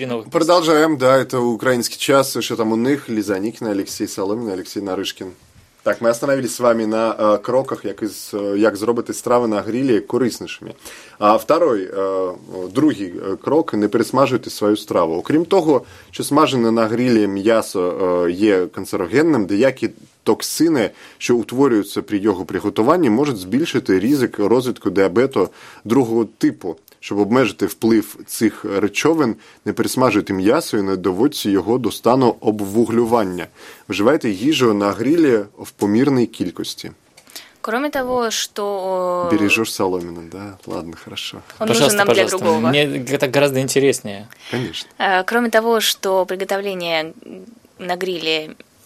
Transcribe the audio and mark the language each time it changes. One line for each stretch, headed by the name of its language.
Russian: Продолжаем, да, это «Украинский час», что там у них, Лиза Никина, Алексей Соломин, Алексей Нарышкин. Так, мы остановились с вами на кроках,
Ukrainian: як зробити страви на грілі кориснішими.
Russian: А второй,
Ukrainian: другий крок – не пересмажуйте свою страву. Окрім того, що смажене на грілі м'ясо є канцерогенним, деякі токсини, що утворюються при його приготуванні, можуть збільшити ризик розвитку діабету другого типу. Щоб обмежити вплив цих речовин, не пересмажуйте м'ясо і не доводьте його до стану обвуглювання. Вживайте їжу на грілі в помірній кількості.
Russian: Кроме того, что... Бережешь соломину, да? Ладно, хорошо. Он нужен нам для другого. Мне это гораздо интереснее. Конечно. Кроме того, что приготовление на гриле...